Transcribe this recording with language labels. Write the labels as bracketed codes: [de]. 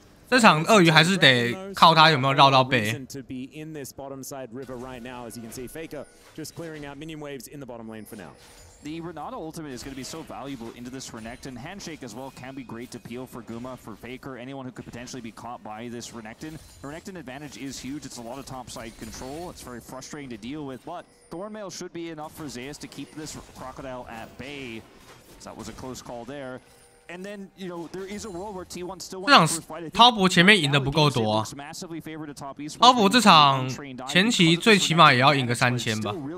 [zh] 这场鳄鱼还是得靠他有没有绕到背。 [en] To be in this bottom side river right now, as you can see, Faker just clearing out minion waves in the bottom lane for now. The Renata ultimate is going to be so valuable into this Renekton. Handshake as well can be great to peel for Guma, for Faker, anyone who could potentially be caught by this Renekton. Renekton advantage is huge. It's a lot of topside control. It's very frustrating to deal with, but Thornmail should be enough for Zeus to keep this Crocodile at bay. So that was a close call there. And then, you know, there is a world where T1 still wants to fight. [zh] 滔博前面赢的不够多啊。滔博这场前期最起码也要赢个3000吧。